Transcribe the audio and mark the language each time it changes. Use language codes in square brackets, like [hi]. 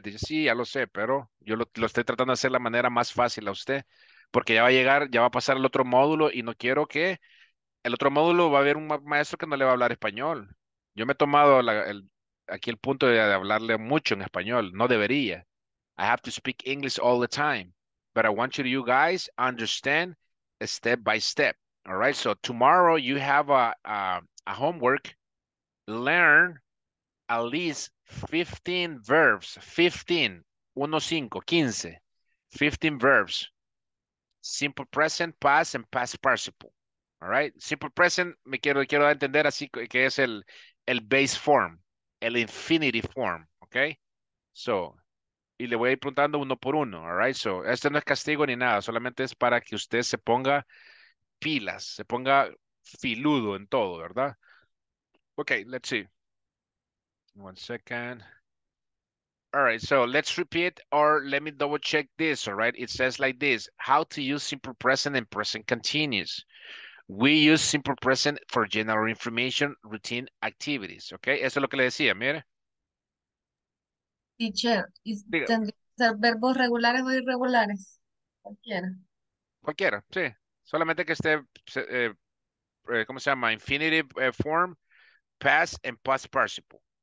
[es] Dice, sí, ya lo sé, pero yo lo estoy tratando de hacer la manera más fácil a usted, porque ya va a llegar, ya va a pasar el otro módulo y no quiero que el otro módulo va a haber un maestro que no le va a hablar español. Yo me he tomado aquí el punto de hablarle mucho en español. No debería. [en] I have to speak English all the time. But I want you guys understand step by step. All right, so tomorrow you have a homework. Learn at least 15 verbs. 15, [es] uno cinco, [en] 15. 15 verbs. Simple present, past, and past participle. All right, simple present, [es] me quiero entender así que es el [en] base form, el infinitive form, okay? [es] So, y le voy a ir preguntando uno por uno, all right? So, este no es castigo ni nada, solamente es para que usted se ponga pilas, se ponga filudo en todo, ¿verdad? [en] Okay, let's see. One second. All right, so let's repeat or let me double check this, all right? It says like this, how to use simple present and present continuous. We use simple present for general information, routine activities. [es] Okay, eso es lo que le decía, mire. Teacher, ¿tendrían ser verbos regulares o irregulares? Cualquiera. Cualquiera, sí. Solamente que esté, ¿cómo se llama? [en] Infinitive form, past and past participle.